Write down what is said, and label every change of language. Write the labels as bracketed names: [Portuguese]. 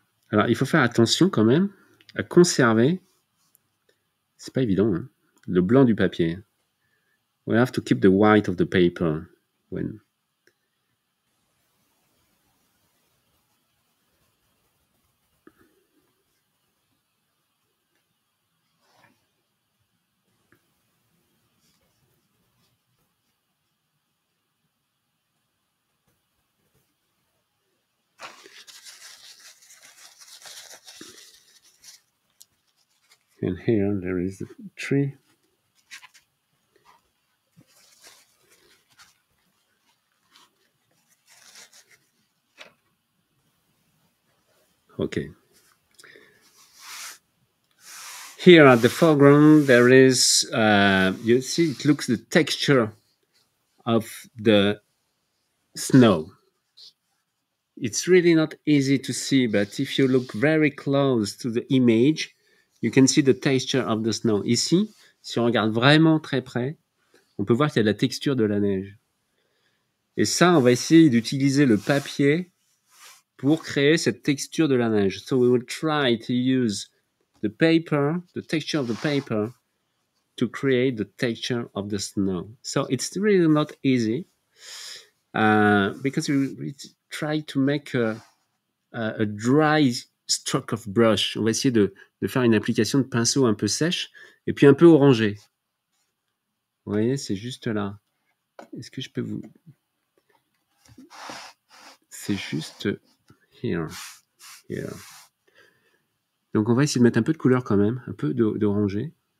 [French] Alors, il faut faire attention quand même à conserver, c'est pas évident, hein, le blanc du papier. [English] We have to keep the white of the paper when. And here there is a tree. Okay. Here at the foreground, there is, you see, it looks the texture of the snow. It's really not easy to see, but if you look very close to the image, you can see the texture of the snow. [French] Ici, si on regarde vraiment très près, on peut voir qu'il y a de la texture de la neige. Et ça, on va essayer d'utiliser le papier pour créer cette texture de la neige. [English] So we will try to use the paper, the texture of the paper, to create the texture of the snow. So it's really not easy, because we try to make a dry stroke of brush. [French] On va essayer de faire une application de pinceau un peu sèche, et puis un peu orangé. Vous voyez, c'est juste là. Est-ce que je peux vous... C'est juste [English] here, here. [French] Donc, on va essayer de mettre un peu de couleur quand même, un peu d'orangé.